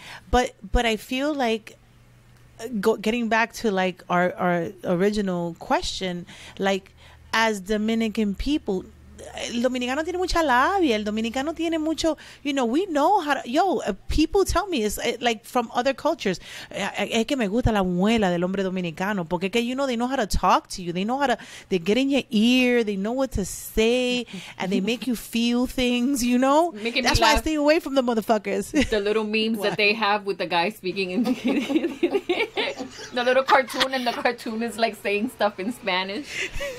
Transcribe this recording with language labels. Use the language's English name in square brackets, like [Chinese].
[English] But I feel like getting back to like our original question, like as Dominican people, [Spanish] el dominicano tiene mucha labia. El dominicano tiene mucho, [English] you know, we know how to, people tell me it's like from other cultures. [Spanish] Es que me gusta la muela del hombre dominicano. Porque que, [English] you know, they know how to talk to you. They know how to, they get in your ear. They know what to say. And they make you feel things, you know? Making that's why laugh. I stay away from the motherfuckers. The little memes that they have with the guy speaking in the little cartoon, and the cartoon is like saying stuff in Spanish.